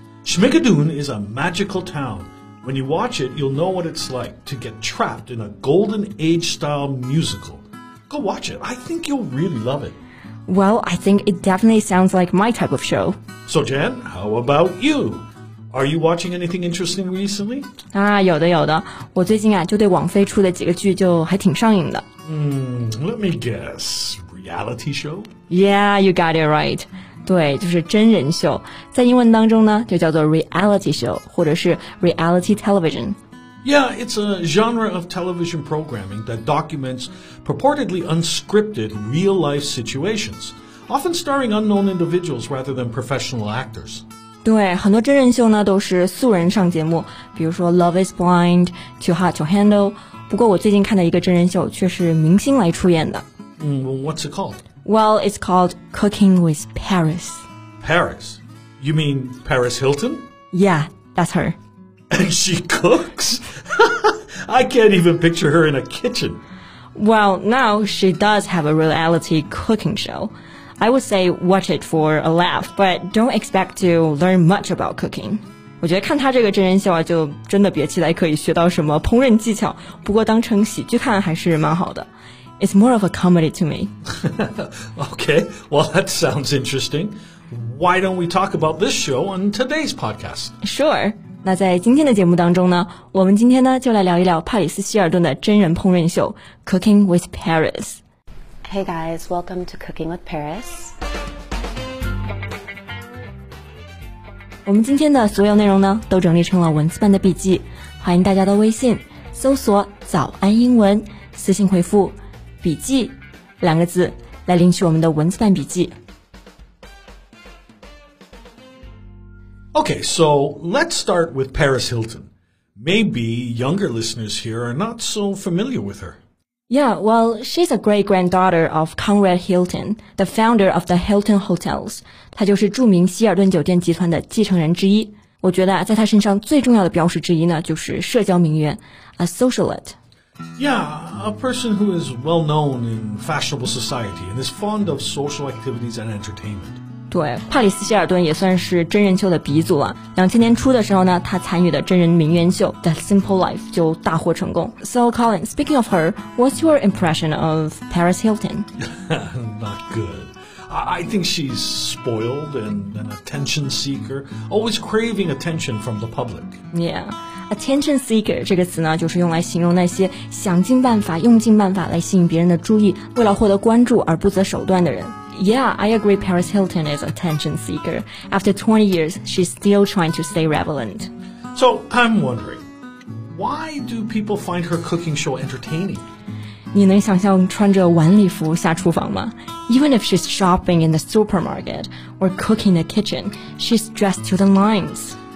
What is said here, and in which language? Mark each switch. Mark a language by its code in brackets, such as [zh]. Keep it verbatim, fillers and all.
[en] Schmigadoon is a magical town. When you watch it, you'll know what it's like to get trapped in a golden age style musical. Go watch it. I think you'll really love it. Well, I think it definitely sounds like my type of show. So Jan, how about you? Are you watching anything interesting recently? [zh] 啊，有的有的，我最近啊就对网飞出的几个剧就还挺上瘾的。 [en] 嗯 let me guess, reality show? Yeah, you got it right. [zh] 对，就是真人秀，在英文当中呢就叫做 reality show 或者是 reality television. [en] Yeah, it's a genre of television programming that documents purportedly unscripted real-life situations, often starring unknown individuals rather than professional actors. [zh] 对，很多真人秀呢都是素人上节目，比如说 Love is Blind, Too Hot to Handle。不过我最近看的一个真人秀却是明星来出演的。 [en] 嗯 what's it called? Well, it's called Cooking with Paris. Paris? You mean Paris Hilton? Yeah, that's her. And she cooks? I can't even picture her in a kitchen. Well, now she does have a reality cooking show. I would say watch it for a laugh, but don't expect to learn much about cooking. [zh] 我觉得看他这个真人秀啊，就真的别期待可以学到什么烹饪技巧。不过当成喜剧看还是蛮好的。 [en] It's more of a comedy to me. Okay, well that sounds interesting. Why don't we talk about this show on today's podcast? Sure. [zh] 那在今天的节目当中呢，我们今天呢就来聊一聊帕里斯希尔顿的真人烹饪秀《Cooking with Paris》。 [en] Hey guys, welcome to Cooking with Paris. [zh] 我们今天的所有内容呢，都整理成了文字版的笔记。欢迎大家到微信搜索“早安英文”，私信回复“笔记”两个字来领取我们的文字版笔记。 [en] Okay, so let's start with Paris Hilton. Maybe younger listeners here are not so familiar with her. Yeah, well, she's a great-granddaughter of Conrad Hilton, the founder of the Hilton Hotels. [zh] 她就是著名希尔顿酒店集团的继承人之一。我觉得啊，在她身上最重要的标识之一呢，就是社交名媛 ，a socialite. [en] Yeah, a person who is well-known in fashionable society and is fond of social activities and entertainment. [zh] 对，帕里斯希尔顿也算是真人秀的鼻祖啊。两千年初的时候呢，他参与的真人名媛秀《The Simple Life》就大获成功。 [en] So, Colin, speaking of her, what's your impression of Paris Hilton? Not good. I think she's spoiled and an attention seeker, always craving attention from the public. [zh] Yeah, attention seeker 这个词呢，就是用来形容那些想尽办法、用尽办法来吸引别人的注意，为了获得关注而不择手段的人。 [en] Yeah, I agree Paris Hilton is an attention seeker. After twenty years, she's still trying to stay relevant. So, I'm wondering, why do people find her cooking show entertaining? [zh] 你能想象穿着晚礼服下厨房吗 [en] Even if she's shopping in the supermarket or cooking in the kitchen, she's dressed to the nines.